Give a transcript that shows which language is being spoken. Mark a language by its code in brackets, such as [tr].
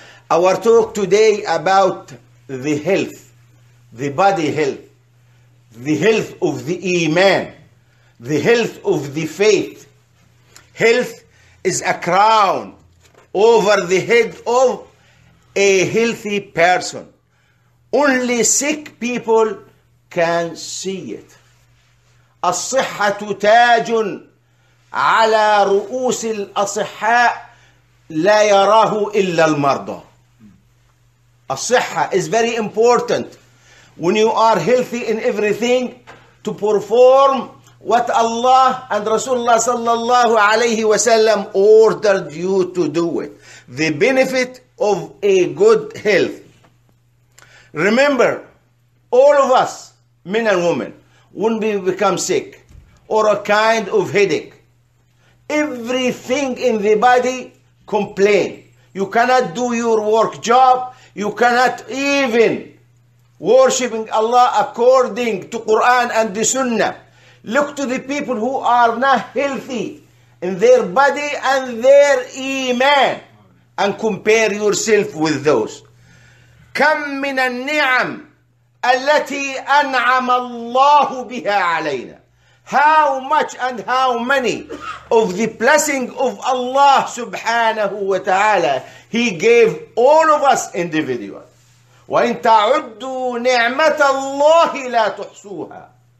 [en] our talk today about the health the body health the health of the iman the health of the faith health is a crown over the head of a healthy person. Only sick people can see it. [ar] الصحة تاج على رؤوس الأصحاء لا يراه إلا المرضى. [en] الصحة is very important. When you are healthy in everything, to perform what Allah and Rasulullah [ar] صلى الله عليه وسلم [en] ordered you to do it. The benefit of a good health. Remember, all of us, men and women, when we become sick or a kind of headache, everything in the body complain. You cannot do your work job. You cannot even worshiping Allah according to Quran and the Sunnah. Look to the people who are not healthy in their body and their iman. And compare yourself with those. [ar] كم من النعم التي أنعم الله بها علينا. [en] How much and how many of the blessing of Allah [ar] سبحانه وتعالى [en] He gave all of us individual. [ar] وإن تعدوا نعمة الله لا تحصوها.